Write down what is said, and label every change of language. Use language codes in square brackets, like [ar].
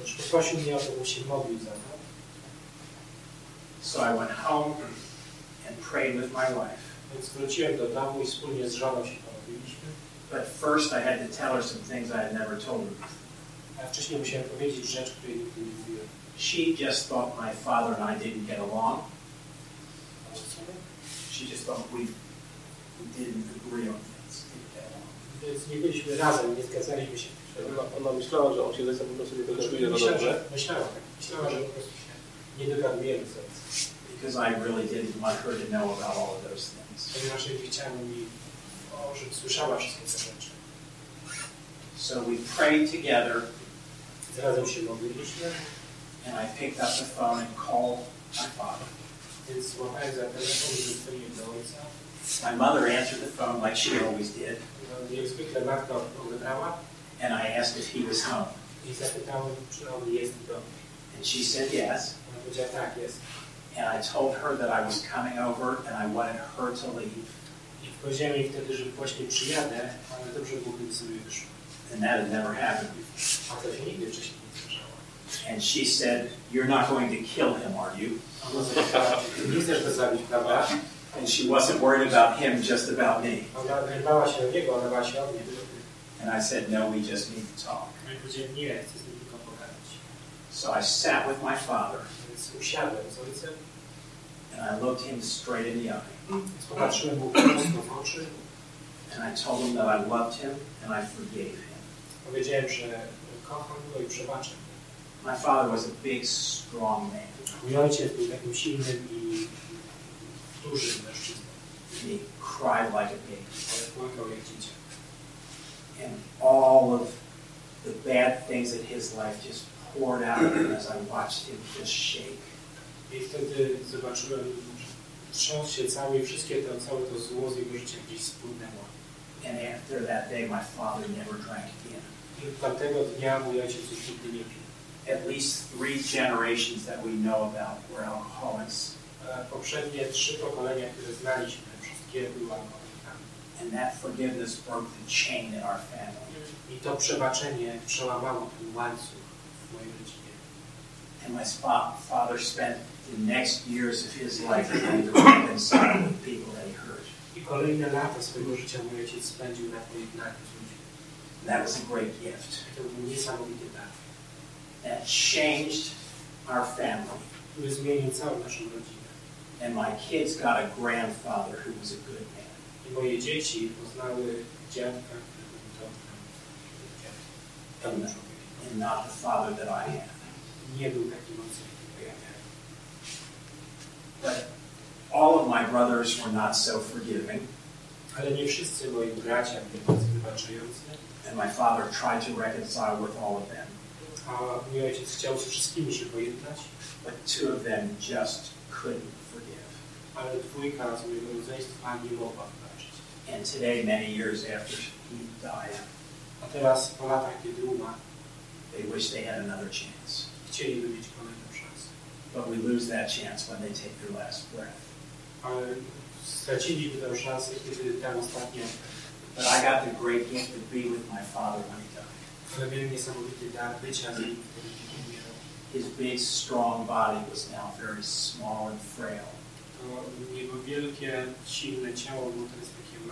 [pl] Prosił mnie o to, żebym się modlił za to. [en] So I went home and prayed with my wife. [pl] Więc wróciłem do domu i wspólnie z żoną się pomodliliśmy. [en] But first I had to tell her some things I had never told her. [pl] A wcześniej musiałem powiedzieć rzecz, której nigdy nie mówiłem. [en] She just thought my father and I didn't get along. She just thought we didn't agree on things. [pl] Więc nie byliśmy razem, nie zgadzaliśmy się. Ona myślała, że on się ze sobą po prostu nie dogaduje na dobrze. Myślała, że po prostu się nie dogadujemy ze sobą. [en] Because I really didn't want her to know about all of those things. [pl] Ponieważ nie chciałem, żeby słyszała wszystkie te rzeczy. [en] So we prayed together. [pl] Zrazem się modliliśmy. [en] And I picked up the phone and called my father. [pl] Więc złapałem za telefon i zadzwoniłem do ojca. [en] My mother answered the phone like she always did. [pl] Jak zwykle matka odebrała. [en] And I asked if he was home. [pl] I zapytałem, czy on jest w domu. [en] And she said yes. [pl] Ona powiedziała tak, jest. [en] And I told her that I was coming over and I wanted her to leave. [pl] I powiedziałem jej wtedy, że właśnie przyjadę, ale dobrze byłoby, gdyby sobie wyszło. [en] And that had never happened before. [pl] A to się nigdy wcześniej nie zdarzało. [en] And she said, you're not going to kill him, are you? [pl] Ona powiedziała, nie chcesz go zabić, prawda? [en] And she wasn't worried about him, just about me. [pl] Ona nie bała się o niego, ona bała się o mnie. [en] And I said, no, we just need to talk. [pl] I powiedziałem, nie, chcę z nim tylko pogadać. [en] So I sat with my father. [pl] Więc usiadłem z ojcem. [en] And I looked him straight in the eye. [pl] Popatrzyłem mu prosto w oczy. [en] And I told him that I loved him and I forgave him. [pl] Powiedziałem, że kocham go i przebaczę. [en] My father was a big, strong man. [pl] Mój ojciec był takim silnym i dużym mężczyzną. [en] And he cried like a baby. [pl] Ale płakał jak dziecko. [en] And all of the bad things in his life just poured out of him as I watched him just shake. [pl] I wtedy zobaczyłem, trząsł się cały, wszystkie to, całe to zło z jego życia gdzieś spłynęło. [en] And after that day, my father never drank again. [pl] I od tamtego dnia mój ojciec już nigdy nie pił. [en] At least three generations that we know about were alcoholics. [pl] Poprzednie trzy pokolenia, które znaliśmy, wszystkie były alkoholikami. [en] And that forgiveness broke the chain in our family. [pl] I to przebaczenie przełamało ten łańcuch w mojej rodzinie. [en] And my father spent the next years of his life reconciling with people that he hurt. [pl] I kolejne lata swojego życia mój ojciec spędził na tym jednaku z ludźmi. [en] That was a great gift. [pl] To był niesamowity dar. [en] That changed our family. [pl] Który zmienił całą naszą rodzinę. [en] And my kids got a grandfather who was a good man. [pl] Moje dzieci poznały dziadka, który był dobrym człowiekiem. [en] And not the father that I am. [pl] Nie był takim ojcem, jakiego ja miałem. [en] But all of my brothers were not so forgiving. [pl] Ale nie wszyscy moi bracia byli tacy wybaczający. [en] And my father tried to reconcile with all of them. [pl] A mój ojciec chciał z wszystkimi się pojednać. [en] But two of them just couldn't forgive. [pl] Ale dwójka z mojego rodzeństwa nie mogła. [en] And today, many years after he died, [pl] a teraz, po latach, kiedy umarł, [en] they wish they had another chance. [pl] Chcieliby mieć kolejną szansę. [en] But we lose that chance when they take their last breath. [pl] Ale straciliby tę szansę, kiedy ten ostatni oddech. [en] But I got the great gift to be with my father when he died. [pl] Ale miałem niesamowity dar bycia z nim, kiedy umarł. [en] His big, strong body was now very small and frail. [pl] To jego wielkie, silne ciało było teraz takie.